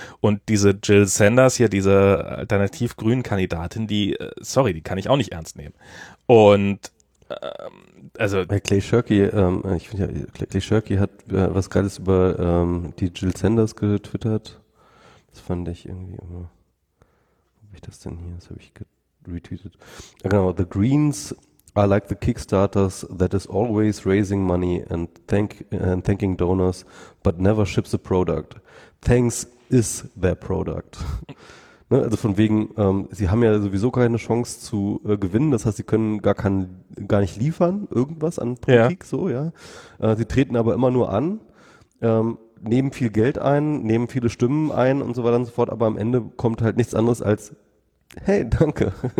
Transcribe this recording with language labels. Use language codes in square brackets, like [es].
[de] Und diese Jill Sanders hier, diese Alternativ-Grünen-Kandidatin, die kann ich auch nicht ernst nehmen. Und also bei Clay Shirky, ich finde ja, Clay Shirky hat was Geiles über die Jill Sanders getwittert. Das fand ich irgendwie immer. Wo habe ich das denn hier? Das habe ich retweetet. Genau, [en] the Greens are like the Kickstarters that is always raising money and thanking donors, but never ships a product. Thanks is their product. [de] Ne, also von wegen, sie haben ja sowieso keine Chance zu gewinnen. Das heißt, sie können gar nicht liefern irgendwas an Politik, ja. Sie treten aber immer nur an, nehmen viel Geld ein, nehmen viele Stimmen ein und so weiter und so fort. Aber am Ende kommt halt nichts anderes als, hey, danke.